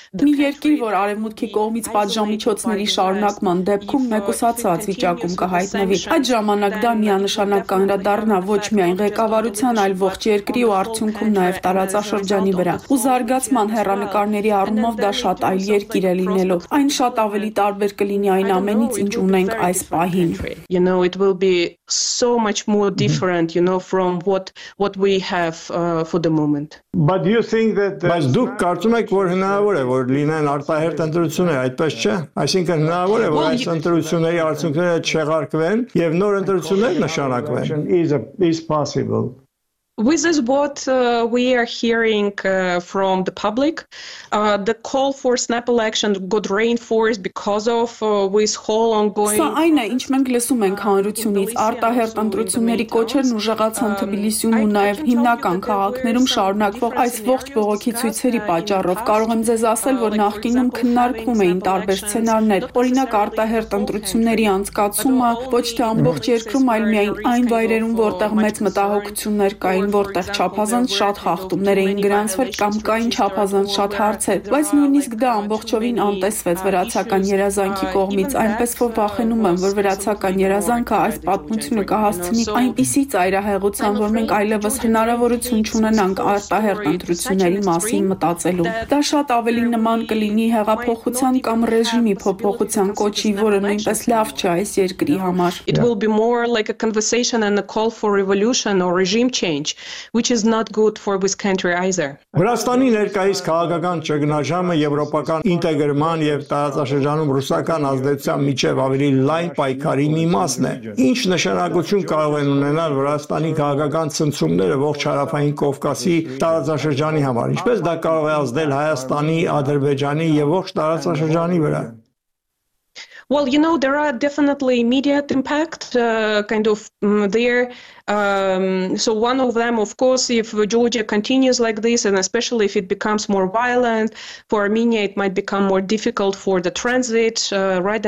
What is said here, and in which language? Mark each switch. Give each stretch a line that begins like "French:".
Armenian: Մի երկիր, որ արևմուտքի կողմից պատժամիջոցների շարունակման դեպքում մեկուսացած վիճակում կհայտնվի, այդ ժամանակ դա միանշանակ կանրադառնա ոչ միայն ղեկավարության, այլ ողջ երկրի ու արդյունքում նաև տարածաշրջանի վրա, ու զարգացման հեռանկարների առումով դա շատ այլ երկիր է լինելու, այն շատ ավելի տարբեր կլինի այն ամենից, ինչ ունենք այս պահին։
English: You know, it will be so much more different, you know, from what we have for the moment. But you think that
Armenian: Բայց դուք կարծում եք, որ հնարավոր է, որ լինեն արտահերտ ընտրությունները, այդպես չէ? Այսինքն հնարավոր է, որ այս ընտրությունների արդյունքները չեղարկվեն եւ նոր ընտրություններ նշանակվեն.
English: Is possible. With this, what we are hearing from the public, the call for snap election got reinforced because of this whole ongoing.
Armenian: Սա այն է, ինչ մենք լսում ենք հանրությունից, արտահերտ ընտրությունների կոչերն ուժեղացան Թբիլիսիում ու նաև հիմնական քաղաքներում շարունակվող այս ողջ բողոքի ցույցերի պատճառով։ Կարող եմ ձեզ ասել, որ նախկինում քննարկվում էին տարբեր սցենարներ, օրինակ արտահերտ ընտրությունների անցկացումը ոչ թե ամբողջ երկրում, այլ միայն այն վայրերում, որտեղ մեծ մտահոգություններ կա, այն որտեղ չափազանց շատ խախտումներ էին գրանցվել կամ կային չափազանց շատ հարցեր, բայց նույնիսկ դա ամբողջովին անտեսվեց վրացական երազանքի կողմից, այնպես որ վախենում եմ, որ վրացական երազանքը այս պատմությունը կհասցնի այնպիսի ծայրահեղության, որ մենք այլևս հնարավորություն չունենանք արտահերտ ընտրությունների մասին մտածելու։ Դա շատ ավելի նման կլինի հեղափոխության կամ ռեժիմի փոփոխության կոչի, որը նույնպես լավ չէ այս երկրի համար։
English: It will be more like a conversation and a call for revolution or regime change, which is not good for this country either.
Armenian: Վրաստանի ներկայիս քաղաքական ճգնաժամը եվրոպական ինտեգրման եւ տարածաշրջանում ռուսական ազդեցության միջև ավելի լայն պայքարի մի մասն է։ Ինչ նշանակություն կարող են ունենալ Վրաստանի քաղաքական ցնցումները ողջ հարավային Կովկասի տարածաշրջանի համար, ինչպես դա կարող է ազդել Հայաստանի, Ադրբեջանի եւ ողջ տարածաշրջանի վրա։
English: Well, you know, there are definitely immediate impact kind of there. So one of them, of course, if Georgia continues like this, and especially if it becomes more violent for Armenia, it might become more difficult for the transit, right?